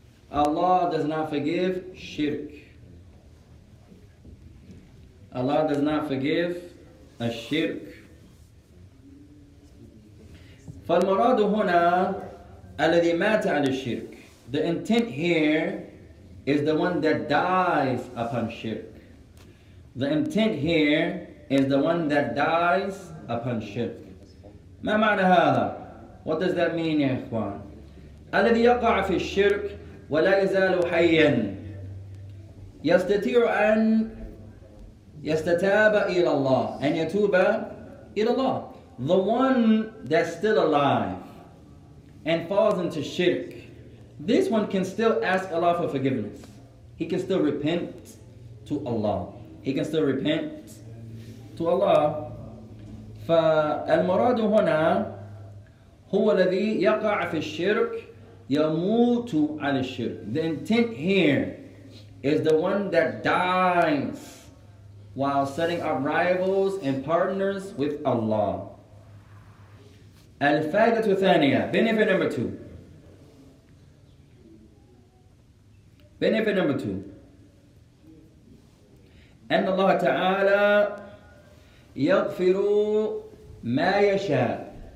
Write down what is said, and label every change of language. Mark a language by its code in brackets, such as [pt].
[en] Allah does not forgive shirk. Allah does not forgive a shirk. [ar] فالمراد هنا الذي مات على الشرك. [en] The intent here is the one that dies upon shirk. The intent here is the one that dies upon shirk. [ar] ما معنى هذا? [en] What does that mean, [ar] يا إخوان? الذي يقع في الشرك ولا يزال حيا يستطيع أن يستتاب إلى الله أن يتوب إلى الله. [en] The one that's still alive and falls into shirk, this one can still ask Allah for forgiveness. He can still repent to Allah. He can still repent to Allah. [ar] فالمراد هنا هو الذي يقع في الشرك يموت على الشرك. [en] The intent here is the one that dies while setting up rivals and partners with Allah. [ar] الفائدة الثانية, [en] benefit number two. Benefit number two. [ar] أن الله تعالى يغفر ما يشاء.